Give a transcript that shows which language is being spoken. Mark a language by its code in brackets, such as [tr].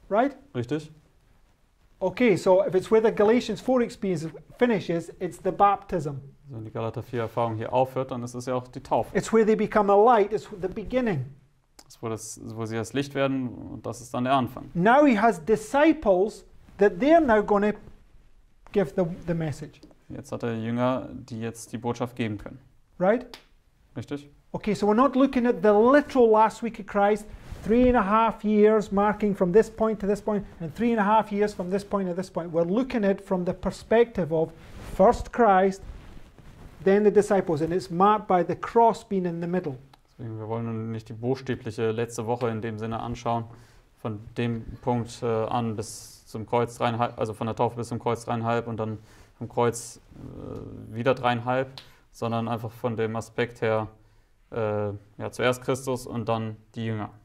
[en] Right? [de] Richtig? [en] Okay, so if it's where the Galatians 4 experience finishes, it's the baptism. [de] Also wenn die Galater 4 Erfahrung hier aufhört, dann ist es ja auch die Taufe. [en] It's where they become a light, it's the beginning. [de] Das ist, wo sie das Licht werden, und das ist dann der Anfang. [en] Now he has disciples that they're now going to give the message. [de] Jetzt hat er Jünger, die jetzt die Botschaft geben können. [en] Right? [de] Richtig. [en] Okay, so we're not looking at the literal last week of Christ, 3.5 years marking from this point to this point, and 3.5 years from this point to this point. We're looking at it from the perspective of first Christ, then the disciples, and it's marked by the cross being in the middle. [de] Deswegen, wir wollen nicht die buchstäbliche letzte Woche in dem Sinne anschauen, von dem Punkt an bis zum Kreuz dreieinhalb, also von der Taufe bis zum Kreuz dreieinhalb und dann vom Kreuz wieder dreieinhalb, sondern einfach von dem Aspekt her, ja, zuerst Christus und dann die Jünger.